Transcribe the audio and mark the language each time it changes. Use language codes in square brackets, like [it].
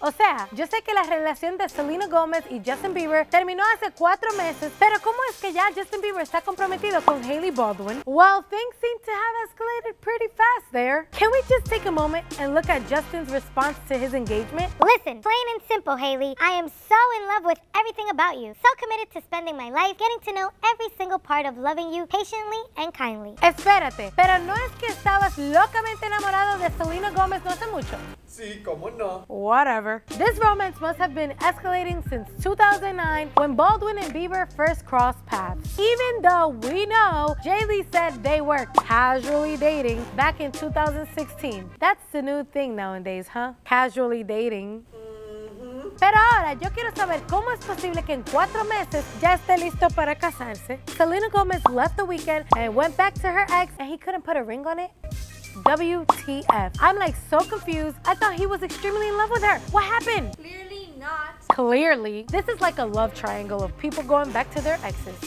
[es] O sea, yo sé que la relación de Selena Gomez y Justin Bieber terminó hace 4 meses, pero ¿cómo es que ya Justin Bieber está comprometido con Hailey Baldwin? [en] Well, things seem to have escalated pretty fast there. Can we just take a moment and look at Justin's response to his engagement? Listen, plain and simple, Hailey, I am so in love with everything about you. So committed to spending my life getting to know every single part of loving you patiently and kindly. [es] Espérate. Pero no es que estabas locamente enamorado de Selena Gomez no hace mucho. Sí, cómo no. [en] Whatever. This romance must have been escalating since 2009 when Baldwin and Bieber first crossed paths. Even though we know Jay-Lee said they were casually dating back in 2016. That's the new thing nowadays, huh? Casually dating. [es] Pero ahora, yo quiero saber cómo es posible que en 4 meses ya esté listo para casarse. [en] Selena Gomez left the weekend and went back to her ex and he couldn't put a ring on it? WTF. I'm like so confused. I thought he was extremely in love with her. What happened? Clearly not. Clearly. This is like a love triangle of people going back to their exes.